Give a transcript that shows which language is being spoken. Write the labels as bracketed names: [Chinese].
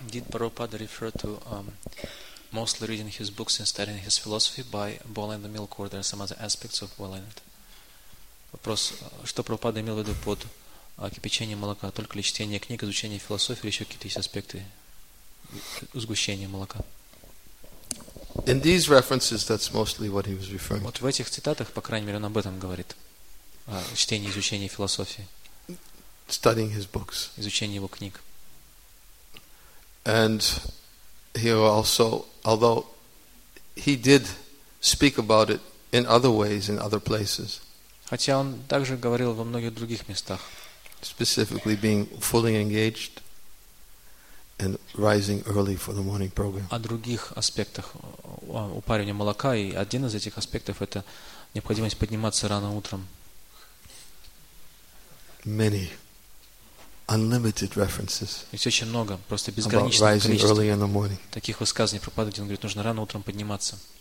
[English] Prabhupada referred to mostly reading his books and studying his philosophy by boiling the milk or there are some other aspects of boiling it. [Russian] Вопрос, что Прабхупада имел в виду под кипячением молока? Только ли чтение книг, изучение философии или еще какие-то есть аспекты сгущения молока? [English] In these references, that's mostly what he was referring to. [Russian] Вот в этих цитатах, по крайней мере, он об этом говорит. Чтение, изучение философии. [English] Studying his books. [Russian] Изучение его книг. [English] And he also, although he did speak about it in other ways, in other places. [Russian] Хотя он также говорил во многих других местах. [English] Specifically, being fully engaged and rising early for the morning program. [Russian] О других аспектах упаривания молока, и один из этих аспектов — это необходимость подниматься рано утром. [English] Many. Unlimited references. [Russian] Есть очень много, просто безграничное количество таких высказаний Прабхупады, где он говорит, нужно рано утром подниматься.